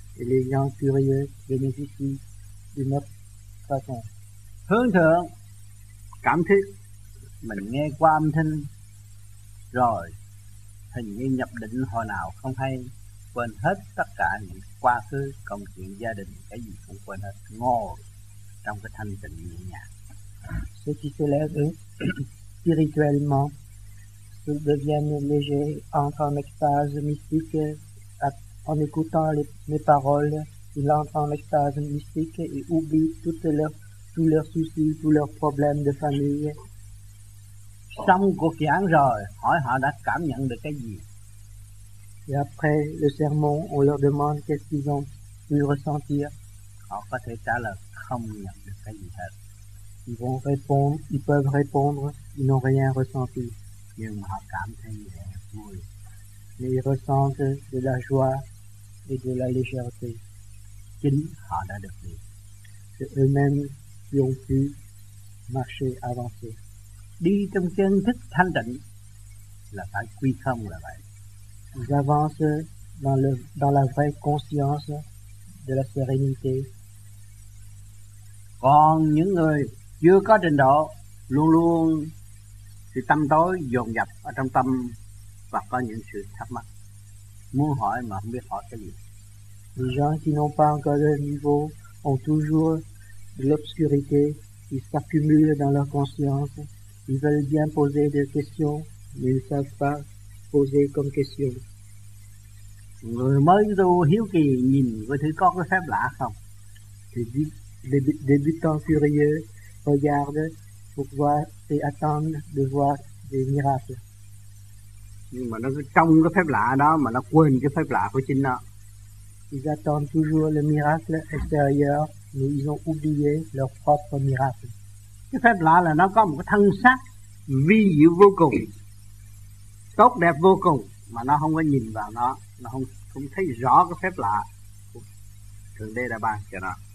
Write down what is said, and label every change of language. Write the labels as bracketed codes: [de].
[fr] Et les gens curieux bénéficient d'une autre façon. [vi] Hướng thượng, cảm thức, mình nghe qua âm thanh, rồi hình như nhập định hồi nào không hay, quên hết tất cả những quá khứ, công chuyện gia đình, cái gì cũng quên hết, ngồi trong cái thanh tịnh nhẹ nhàng. [fr] Ceux qui s'élèvent spirituellement deviennent légers, entrent en extase mystique en écoutant mes paroles. Ils entrent en extase mystique et oublient tous leurs soucis, tous leurs problèmes de famille. [vi] Xong cuộc giảng rồi, hỏi họ đã cảm nhận được cái gì. [fr] Et après le sermon, on leur demande qu'est-ce qu'ils ont pu ressentir. [vi] Họ có thể trả lời không nhận được cái gì hết. [fr] Ils vont répondre, ils peuvent répondre, ils n'ont rien ressenti. [vi] Nhưng mà họ cảm thấy là vui. [fr] Mais ils ressentent de la joie et de la légèreté. [vi] Chính họ đã được đi. [fr] C'est eux-mêmes qui ont pu marcher, avancer. [vi] Đi trong chân thức thanh tịnh là phải quy không là vậy. [fr] Ils avancent dans la vraie conscience de la sérénité. [vi] Còn những người chưa có trình độ, luôn luôn sự tâm tối dồn dập ở trong tâm và có những sự thắc mắc, muốn hỏi mà không biết hỏi cái gì. [fr] Les gens qui n'ont pas encore de niveau ont toujours de l'obscurité qui s'accumule dans leur conscience. Ils veulent bien poser des questions, mais ils ne savent pas poser comme question. [vi] Người mới tu hiếu kỳ nhìn coi thứ có cái phép lạ không? [fr] Débutants curieux regardent pour voir et attendent de voir des miracles. [vi] Nhưng mà nó trong cái phép lạ đó mà nó quên cái phép lạ của chính nó. [fr] Ils attendent toujours le miracle extérieur, mais ils ont oublié leur propre miracle. [vi] Cái phép lạ là nó có một cái thân xác vi diệu vô cùng, tốt đẹp vô cùng, mà nó không có nhìn vào nó không thấy rõ cái phép lạ của Thượng Đế đã ban cho nó.